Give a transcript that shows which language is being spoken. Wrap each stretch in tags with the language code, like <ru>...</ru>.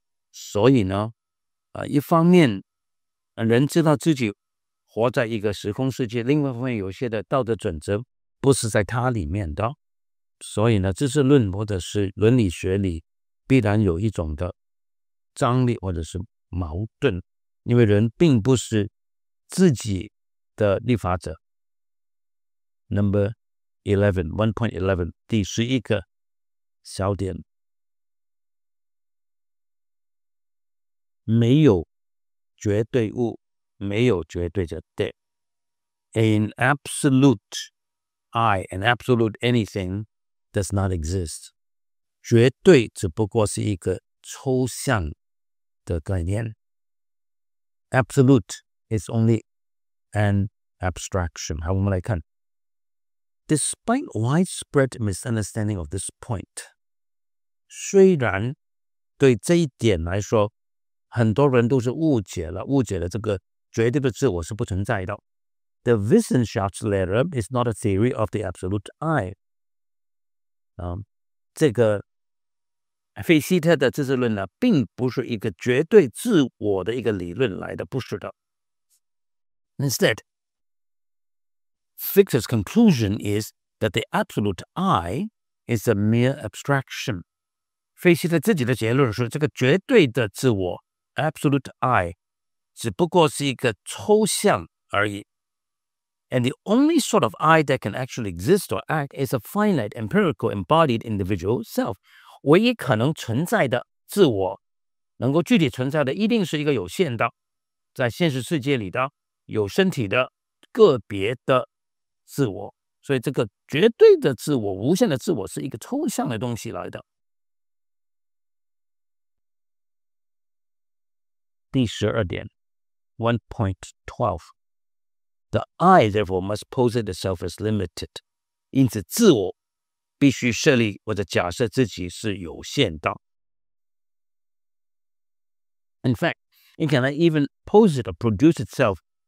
<zh>所以呢，一方面人知道自己活在一个时空世界，另外一方面有些的道德准则不是在它里面的，所以呢，知识论或者是伦理学里必然有一种的张力或者是矛盾，因为人并不是自己的立法者。 Number 11 1.11 第十一个小点，没有绝对物，没有绝对的对。</zh> <en>An absolute I, an absolute anything does not exist.</en> <zh>绝对只不过是一个抽象的概念。</zh> <en>Absolute is only an abstraction.</en> <zh>好，我们来看。</zh> <en>Despite widespread misunderstanding of this point,</en> <zh>虽然对这一点来说，很多人都是误解了这个绝对的自我是不存在的。</zh> <en>The Wissenschaftslehre is not a theory of the absolute I.</en> <zh>这个菲希特的知识论呢，并不是一个绝对自我的一个理论来的，不是的。</zh> <en>Instead, Fichte's conclusion is that the absolute I is a mere abstraction.</en> <zh>菲希特自己的结论是这个绝对的自我Absolute I 只不过是一个抽象而已。</zh> <en>And the only sort of I that can actually exist or act is a finite, empirical, embodied individual self.</en> <zh>唯一可能存在的自我能够具体存在的一定是一个有限的在现实世界里的有身体的个别的自我所以这个绝对的自我无限的自我是一个抽象的东西来的第十二点 1.12</zh> <en>The I therefore must pose it itself as limited</en> <zh>因此自我 必须设立或者假设自己是有限的。</zh> <en>In fact, it cannot even pose it or produce itself.</en>